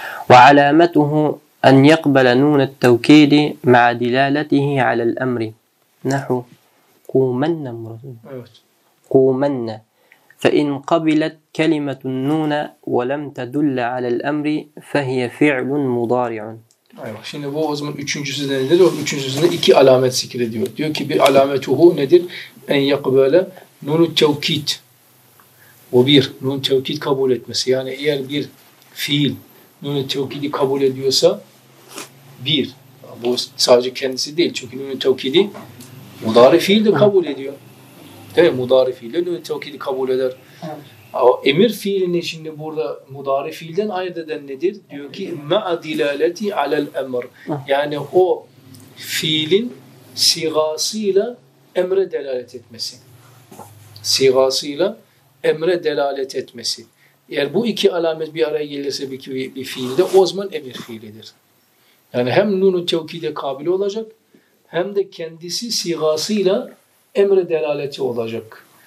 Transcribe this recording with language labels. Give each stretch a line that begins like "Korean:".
Arabic: Ve alametuhu أن يقبل نون التوكيد مع دلالته على الأمر نحو قومن مرسل قومن فإن قبلت كلمة النون ولم تدل على الأمر فهي فعل مضارع.
Turkish: Evet. Şimdi bu o zaman üçüncüsü de nedir? O üçüncüsünde iki alamet zikrediyor. Diyor ki bir alametuhu nedir? En yakbele nunu tevkid. O bir, nun tevkid kabul etmesi. Yani eğer bir fiil nunu tevkidi kabul ediyorsa bir. Bu sadece kendisi değil. Çünkü nün-i tevkidi mudari fiil de kabul ediyor. Değil mi? Mudari fiil de nün-i tevkidi kabul eder. Ama emir fiilini şimdi burada mudari fiilden ayırt eden nedir? Diyor ki
Arabic: مَعَ دِلَالَةِ عَلَى الْاَمْرِ.
Turkish: Yani o fiilin sigasıyla emre delalet etmesi. Sigasıyla emre delalet etmesi. Eğer bu iki alamet bir araya gelirse bir fiilde o zaman emir fiilidir. Yani hem nunu tevkide kabili olacak hem de kendisi sigasıyla emre delaleti olacak.